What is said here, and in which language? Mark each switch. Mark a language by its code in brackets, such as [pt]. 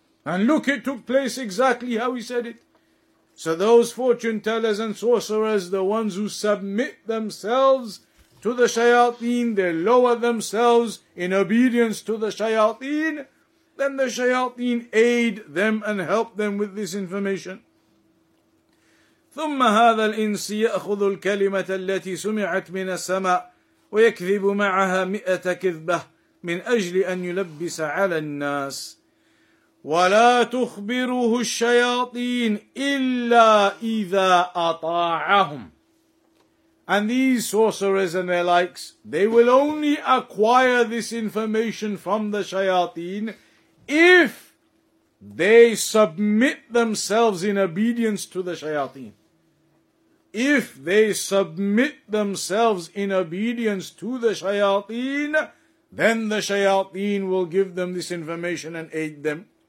[en] And look, it took place exactly how he said it. So those fortune tellers and sorcerers, the ones who submit themselves to the shayateen, they lower themselves in obedience to the shayateen, then the shayateen aid them and help them with this information. [ar] ثم هذا الإنس يأخذ الكلمة التي سمعت من السماء ويكذب معها مئة كذبة من أجل أن يلبس على الناس ولا تخبره الشياطين إلا إذا أطاعهم. [en] And these sorcerers and their likes, they will only acquire this information from the shayateen if they submit themselves in obedience to the shayateen. If they submit themselves in obedience to the shayateen, then the shayateen will give them this information and aid them.